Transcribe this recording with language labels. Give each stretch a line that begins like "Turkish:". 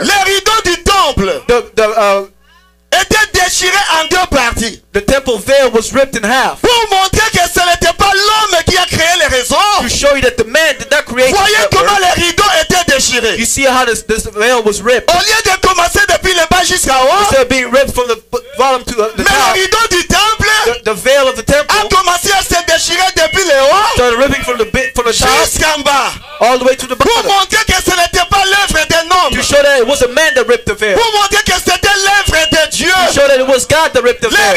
French: Les rideaux du temple étaient déchirés en deux parties.
English: The temple veil was ripped in half.
French: Pour montrer que ce n'était pas l'homme qui a créé les réseaux.
English: To show you that the man did not create the network.
French: Voyez comment les rideaux étaient déchirés.
English: You see how this veil was ripped.
French: Au lieu de commencer depuis le bas jusqu'à haut.
English: Instead of being ripped from the bottom to the top.
French: Mais les rideaux du temple.
English: The veil of the temple.
French: A commencé à se déchirer depuis le haut.
English: Started ripping from the top.
French: Jusqu'en bas.
English: All the way to the bottom.
French: Pour montrer que ce n'était pas l'œuvre d'un homme.
English: To show that it was a man that ripped the veil.
French: Pour montrer que c'était l'œuvre de Dieu.
English: To show that it was God that ripped the veil.